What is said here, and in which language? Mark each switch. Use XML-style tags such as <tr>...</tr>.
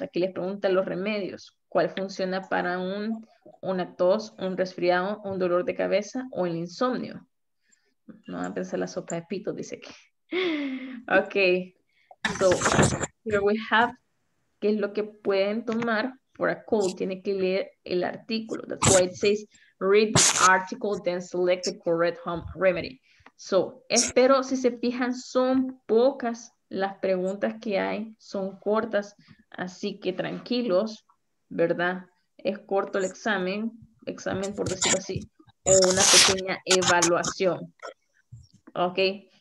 <es>Aquí les pregunta los remedios. ¿Cuál funciona para una tos, un resfriado, un dolor de cabeza o el insomnio? No van a pensar la sopa de pito, dice que. Ok.</es> <en>So, here we have,</en> <es>¿qué es lo que pueden tomar</es> <en>for a cold?</en> <es>Tiene que leer el artículo.</es> <en>That's why it says, read the article, then select the correct home remedy. So,</en> <es>espero, si se fijan, son pocas las preguntas que hay, son cortas, así que tranquilos, ¿verdad? Es corto el examen, por decirlo así, o una pequeña evaluación. Ok.</es>